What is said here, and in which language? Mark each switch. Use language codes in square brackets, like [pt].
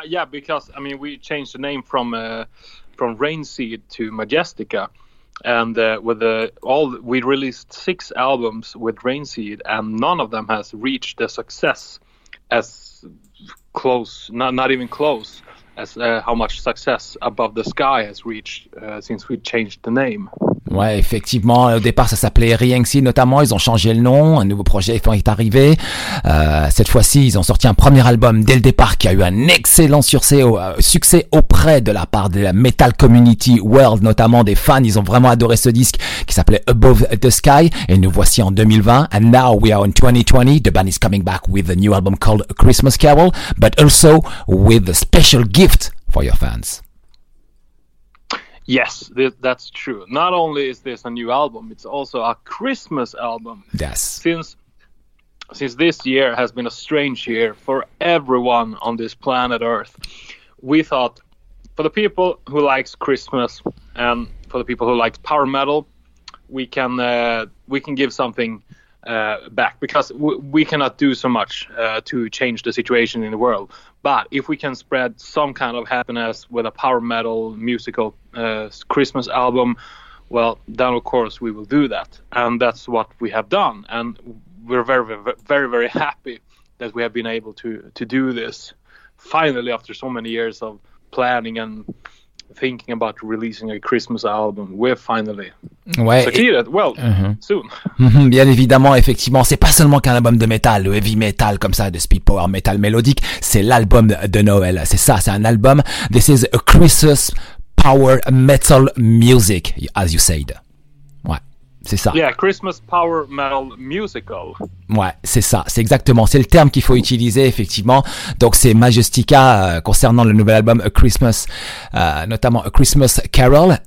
[en] Because I mean, we changed the name from Rainseed to Majestica, and we released 6 albums with Rainseed, and none of them has reached the success as close, not even close, as how much success Above the Sky has reached since we changed the name. [fr] Ouais, effectivement, au départ ça s'appelait Rainseed notamment, ils ont changé le nom, un nouveau projet est arrivé. Cette fois-ci, ils ont sorti un premier album dès le départ qui a eu un excellent succès auprès de la part de la metal community world, notamment des fans. Ils ont vraiment adoré ce disque qui s'appelait Above the Sky, et nous voici en 2020. [en] And now we are in 2020, the band is coming back with a new album called A Christmas Carol, but also with a special gift for your fans. Yes, that's true. Not only is this a new album, it's also a Christmas album. Yes. Since this year has been a strange year for everyone on this planet Earth, we thought, for the people who likes Christmas and for the people who likes power metal, we can give something back, because we cannot do so much to change the situation in the world. But if we can spread some kind of happiness with a power metal musical Christmas album, well, then of course we will do that. And that's what we have done. And we're very, very, very, very happy that we have been able to do this finally after so many years of planning and thinking about releasing a Christmas album. We're finally soon. [fr] Bien évidemment, effectivement, c'est pas seulement qu'un album de métal, le heavy metal comme ça, de speed power metal mélodique, c'est l'album de Noël. C'est ça, c'est un album. [en] This is a Christmas power metal music, as you said. [fr] C'est ça. [en] Yeah, Christmas power metal musical. [fr] Ouais, c'est ça. C'est exactement. C'est le terme qu'il faut utiliser, effectivement. Donc, c'est Majestica concernant le nouvel album A Christmas, notamment A Christmas Carol.